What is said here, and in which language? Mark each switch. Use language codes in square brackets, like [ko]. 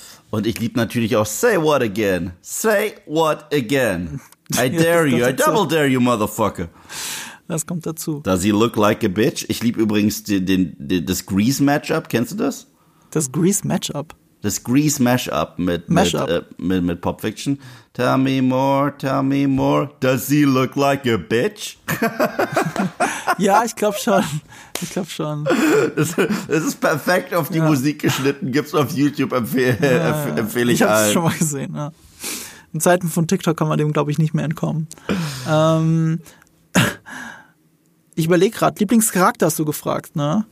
[de] Und ich liebe natürlich auch [en] Say what again. Say what again. I dare you. I double dare you, motherfucker. [de] Das kommt dazu. [en] Does he look like a bitch? [de] Ich liebe übrigens das Grease-Matchup. Kennst du das? Das Grease-Matchup? Das Grease-Mashup mit Pop Fiction. [en] Tell me more, does he look like a bitch? [de] Ja, ich glaube schon. Ich glaube schon. Es ist perfekt auf die Musik geschnitten. Gibt's auf YouTube, empfehle ich allen. Ich habe es schon mal gesehen. Ja. In Zeiten von TikTok kann man dem, glaube ich, nicht mehr entkommen. Ich überlege gerade, Lieblingscharakter hast du gefragt, ne?